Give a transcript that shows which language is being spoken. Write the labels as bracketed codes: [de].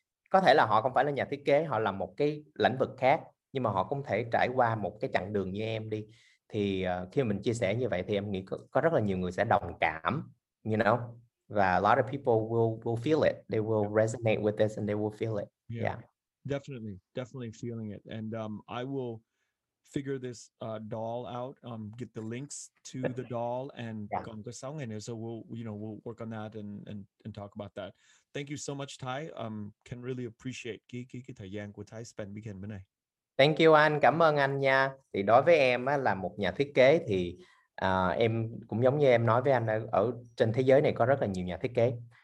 [vi] Có thể là họ không phải là nhà thiết kế, họ là một cái lĩnh vực khác, nhưng mà họ cũng thể trải qua một cái chặng đường như em đi. [en] Thì khi mình chia sẻ như vậy thì em nghĩ có rất là nhiều người sẽ đồng cảm, you know, và a lot of people will feel it, they will resonate with this and they will feel it. Definitely feeling it, and I will figure this doll out, get the links to the doll, and còn có 6 ngày nữa, so we'll work on that and talk about that. Thank you so much, Thái. [vi] Can really appreciate cái thời gian của Thái spend weekend bên này. Thank you anh, cảm ơn anh nha. Thì đối với em á, là một nhà thiết kế thì em cũng giống như em nói với anh, ở trên thế giới này có rất là nhiều nhà thiết kế.